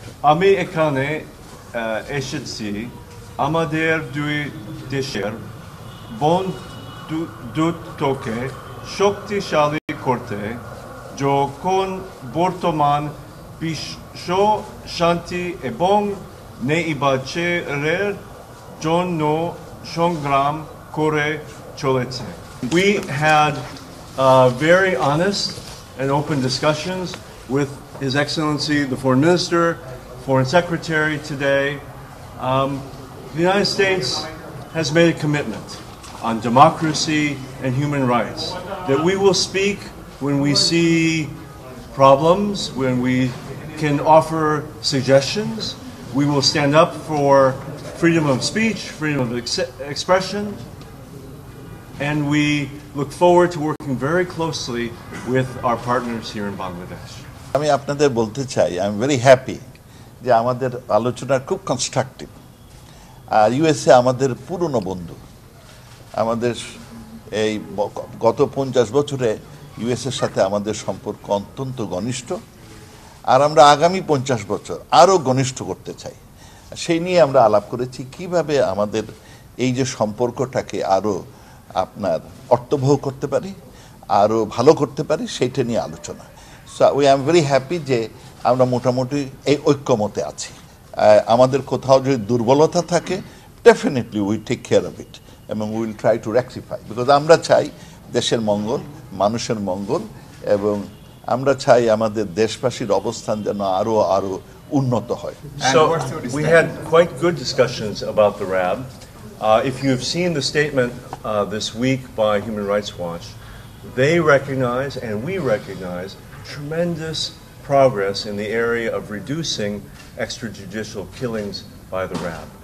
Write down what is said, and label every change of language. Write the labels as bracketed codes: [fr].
[bn] আমি এখানে এসেছি আমাদের দুই দেশের বন্ধুত্বকে শক্তিশালী করতে যখন বর্তমান বিশ্ব শান্তি এবং নির্বাচনের জন্য সংগ্রাম করে চলেছে [en] We had very honest and open discussions with His Excellency, the Foreign Minister, Foreign Secretary today. The United States has made a commitment on democracy and human rights, that we will speak when we see problems, when we can offer suggestions. We will stand up for freedom of speech, freedom of expression. And we look forward to working very closely with our partners here in Bangladesh. [bn] আমি আপনাদের বলতে চাই, [en] I'm very happy [bn] যে আমাদের আলোচনা খুব constructive. আর USA আমাদের পুরনো বন্ধু। আমাদের এই গত 50 বছরে ইউএসএর সাথে আমাদের সম্পর্ক অত্যন্ত ঘনিষ্ঠ। আর আমরা আগামী 50 বছর আরও ঘনিষ্ঠ করতে চাই। সেই নিয়ে আমরা আলাপ করেছি কিভাবে আমাদের এই যে সম্পর্কটাকে আরও আপনার অর্থবহ করতে পারি আরও ভালো করতে পারি সেইটা নিয়ে আলোচনা [en] so we am very happy [bn] যে আমরা মোটামুটি এই ঐক্যমতে আছি আমাদের কোথাও যদি দুর্বলতা থাকে [en] definitely we take care of it [bn] এবং [en] we will try to rectify because [bn] আমরা চাই দেশের মঙ্গল মানুষের মঙ্গল এবং আমরা চাই আমাদের দেশবাসীর অবস্থান যেন আরও আরও উন্নত হয় [en] So we had quite good discussions about the RAB if you have seen the statement this week by Human Rights Watch, they recognize, and we recognize, tremendous progress in the area of reducing extrajudicial killings by the RAB.